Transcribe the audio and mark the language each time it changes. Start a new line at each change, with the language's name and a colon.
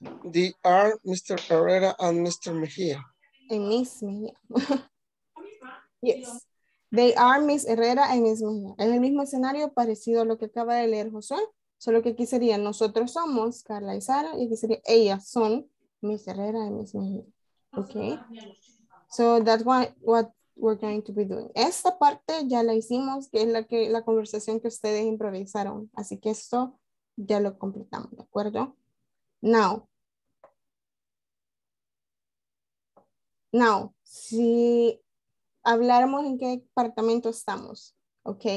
English: They are Mr. Herrera and Mr. Mejia. And Miss Mejia. Yes. They are Miss Herrera and Miss Mejia.
Spanish: En el mismo escenario parecido a lo que acaba de leer José. Solo que aquí sería nosotros somos Carla y Sara, y aquí sería ellas son Miss Herrera y Miss Mejía.
English: Ok. So that's what we're going to be doing.
Spanish: Esta parte ya la hicimos, que es la conversación que ustedes improvisaron. Así que esto ya lo completamos, ¿de acuerdo? Now, si habláramos en qué departamento estamos, ok.